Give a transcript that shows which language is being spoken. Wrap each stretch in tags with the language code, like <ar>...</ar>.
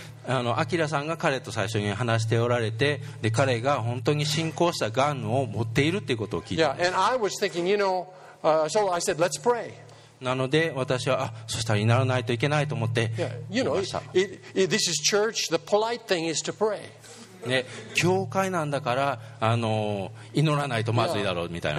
<ja>アキラさんが彼と最初に話しておられて、で彼が本当に進行したがんを持っているということを聞いて、</ja> <en>yeah, and I was thinking, you know, so I said, let's pray.</en> <ja>なので私はそしたら祈らないといけないと思って、</ja> <en>yeah, you know, this is church, the polite thing is to pray.</en> <ja>教会なんだから祈らないとまずいだろうみたいな。</ja>